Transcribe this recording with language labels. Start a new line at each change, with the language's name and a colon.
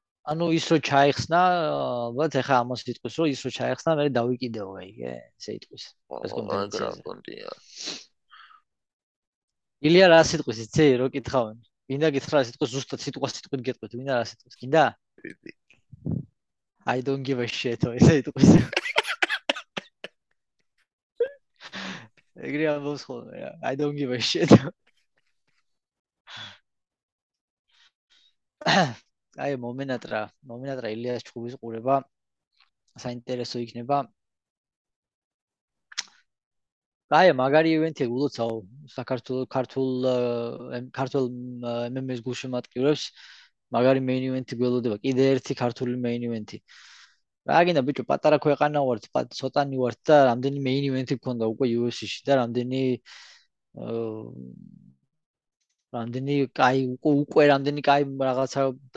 Georgian: ანუ ის რო ჩაიხსნა, ალბათ ეხა ამას იტყვის, რომ ის რო ჩაიხსნა, მე დავიკიდეო ეგე, ესე იტყვის ეს კონტენცია. ილია რა სიტყვის იცი რო კითხავენ? მინდა გითხრა რა სიტყვა, ზუსტად სიტყვა სიტყვით გეტყვით, მინდა რა სიტყვის? კიდა?
English: I don't give a shit,
Georgian: ესე იტყვის. ეგრე ამბობს ხოლმე რა,
English: I don't give a shit.
Georgian: აი მომენატრა ილიას ჩხუბის ყურება, საინტერესო იქნება. აი მაგარი ივენთი გულოცავ საქართველოს ქართულ MMA-ს გულშემატკივრებს მაგარი მეინ ივენთი გველოდება კიდე ერთი ქართული მეინ ივენთი რა გინდა ბიჭო პატარა ქვეყანა ვართ ცოტანი ვართ და რამდენი მეინ ივენთი გქონდა უკვე UFC-ში და რამდენი კაი უკვე რამდენი კაი რაღაცა